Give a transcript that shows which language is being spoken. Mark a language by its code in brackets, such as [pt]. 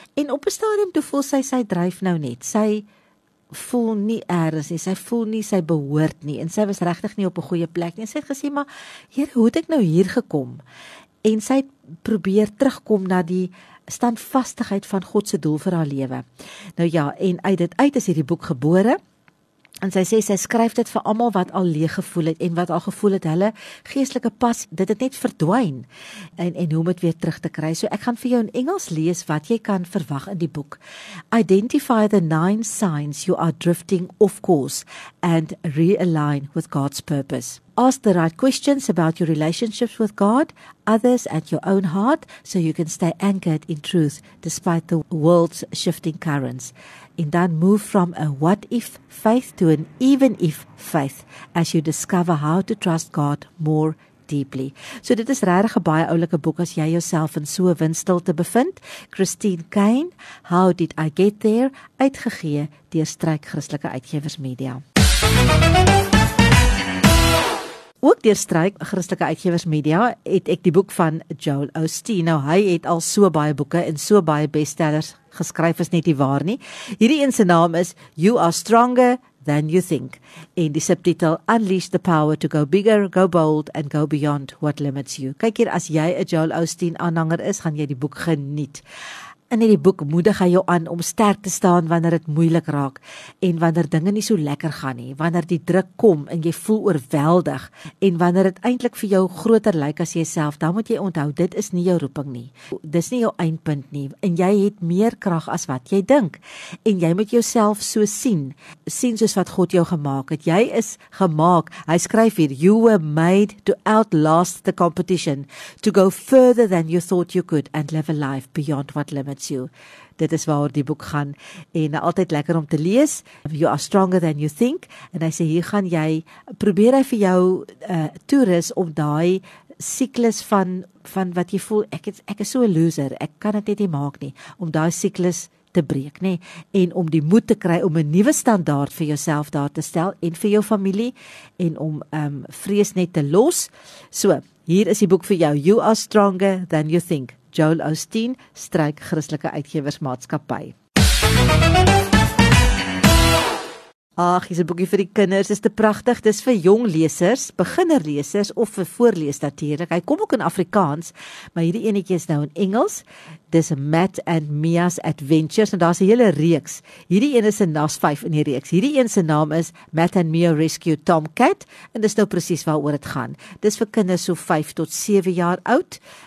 [af] En op 'n stadium toe voel sy dryf nou net. Sy voel nie eers nie, sy voel nie sy behoort nie en sy was regtig nie op 'n goeie plek nie. En sy het gesê, "Maar Here, hoe het ek nou hier gekom?" En sy probeer terugkom na die standvastigheid van God se doel vir haar lewe. Nou ja, en uit is hierdie boek gebore. En sy sê sy skryf dit vir almal wat al leeg gevoel het en wat al gevoel het hulle geestelike pas, dit het net verdwyn en hoe om dit weer terug te kry. So ek gaan vir jou in Engels lees wat jy kan verwag in die boek. [en] Identify the 9 signs you are drifting off course and realign with God's purpose. Ask the right questions about your relationships with God, others and your own heart so you can stay anchored in truth despite the world's shifting currents. And then move from a what-if faith to an even-if faith as you discover how to trust God more deeply. [af] So dit is regtig 'n baie oulike boek as jy jouself in so 'n windstilte bevind. Christine Caine, How Did I Get There? Uitgegee deur Struik Christelike Uitgewers Media. Ook deur Struik Christelike Uitgewers Media het ek die boek van Joel Osteen. Nou hy het al so baie boeke en so baie bestsellers geskryf is net nie waar nie. Hierdie een se naam is You Are Stronger Than You Think. En die subtitel Unleash the Power to Go Bigger, Go Bold and Go Beyond What Limits You. Kyk hier, as jy 'n Joel Osteen aanhanger is, gaan jy die boek geniet. In hierdie boek moedig hy jou aan om sterk te staan wanneer dit moeilik raak en wanneer dinge nie so lekker gaan nie, wanneer die druk kom en jy voel oorweldig en wanneer dit eintlik vir jou groter lyk as jouself, dan moet jy onthou dit is nie jou roeping nie. Dis nie jou eindpunt nie en jy het meer krag as wat jy dink en jy moet jouself so sien soos wat God jou gemaak het. Jy is gemaak. Hy skryf hier, [en] you were made to outlast the competition, to go further than you thought you could and live a life beyond what limits. [af] Met jou. Dit is waar die boek gaan en altyd lekker om te lees. You are stronger than you think en hy sê hier gaan jy probeer hy vir jou toerus om daai siklus van wat jy voel ek is so 'n loser, ek kan dit net nie maak nie, om daai siklus te breek, nê? En om die moed te kry om 'n nuwe standaard vir jouself daar te stel en vir jou familie en om vrees net te los. So, hier is die boek vir jou. You are stronger than you think. Joel Osteen, Struik Christelike Uitgewersmaatskappy. Ag, hier's 'n boekie vir die kinders, is te pragtig. Dis vir jong lesers, beginnerlesers of vir voorlees natuurlik. Hy kom ook in Afrikaans, maar hierdie eenetjie is nou in Engels. Dis Matt and Mia's Adventures en daar's 'n hele reeks. Hierdie een is 'n NAS 5 in die reeks. Hierdie een se naam is Matt and Mia Rescue Tomcat en dis nou presies waaroor dit gaan. Dis vir kinders so 5 tot 7 jaar oud.